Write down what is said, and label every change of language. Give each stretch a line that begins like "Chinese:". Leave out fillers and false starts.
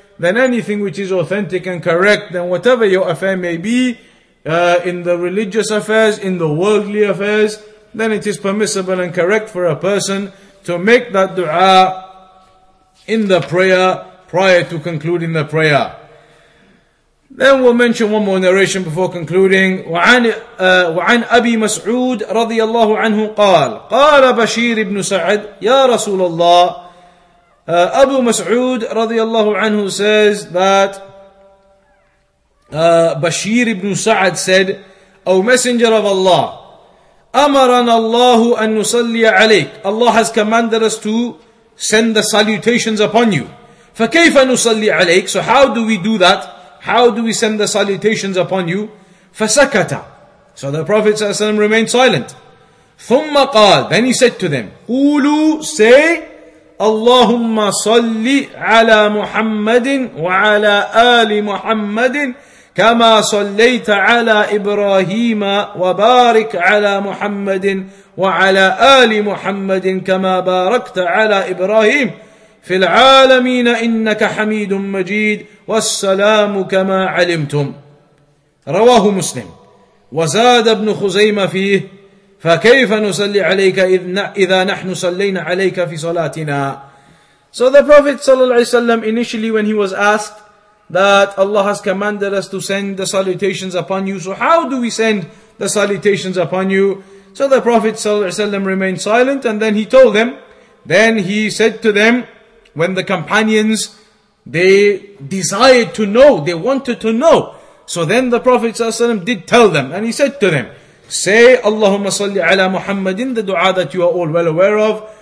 English: then anything which is authentic and correct, then whatever your affair may be, in the religious affairs, in the worldly affairs, then it is permissible and correct for a person to make that dua in the prayer, prior to concluding the prayer. Then we'll mention one more narration before concluding.
Arabic: وعن أبي مسعود رضي الله عنه قال قال بشير بن سعد يا رسول الله
English: Abu Mas'ud radiyallahu anhu says that Bashir ibn Sa'ad said, O Messenger of Allah,
Arabic: أمرنا الله أن نصلي عليك.
English: Allah has commanded us to send the salutations upon you.
Arabic: فكيف نصلي عليك?
English: So how do we do that? How do we send the salutations upon you?
Arabic: فسكت.
English: So the Prophet ﷺ remained silent.
Arabic: ثم قال.
English: Then he said to them,
Arabic: قولوا, say, اللهم صل على محمد وعلى آل محمد كما صليت على إبراهيم وبارك على محمد وعلى آل محمد كما باركت على إبراهيم في العالمين إنك حميد مجيد والسلام كما علمتم رواه مسلم وزاد ابن خزيمة فيه فكيف نصلي عليك إذا نحن صلينا عليك في صلاتنا.
English: So the Prophet sallallahu alaihi wasallam, initially when he was asked that Allah has commanded us to send the salutations upon you, so how do we send the salutations upon you? So the Prophet sallallahu alaihi wasallam remained silent, and then he told them, then he said to them, when the companions, they desired to know, they wanted to know, so then the Prophet sallallahu alaihi wasallam did tell them, and he said to them, say, Allahumma salli ala Muhammadin, the dua that you are all well aware of.